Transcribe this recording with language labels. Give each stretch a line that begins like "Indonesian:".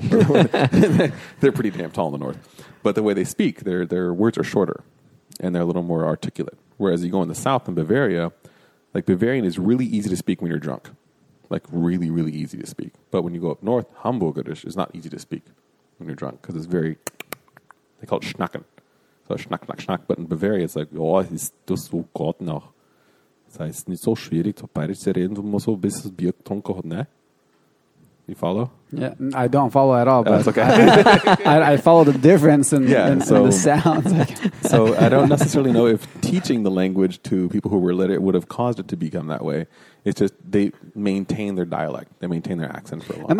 English: They're pretty damn tall in the north. But the way they speak, their words are shorter and they're a little more articulate. Whereas you go in the south in Bavaria, like, Bavarian is really easy to speak when you're drunk. Like, really, really easy to speak. But when you go up north, Hamburgerisch is not easy to speak when you're drunk because it's very, they call it schnacken. So schnack, schnack, schnack. But in Bavaria, it's like, oh,
German: ist das so gut noch? Das heißt, nicht so schwierig, zu Bayerisch zu reden, du musst so ein bisschen Bier getrunken haben, ne?
English: You follow? Yeah, I don't follow at all. But that's okay. I follow the difference in the sounds. So I don't necessarily know if teaching the language to people who were literate would have caused it to become that way. It's just they maintain their dialect. They maintain their accent for a long time.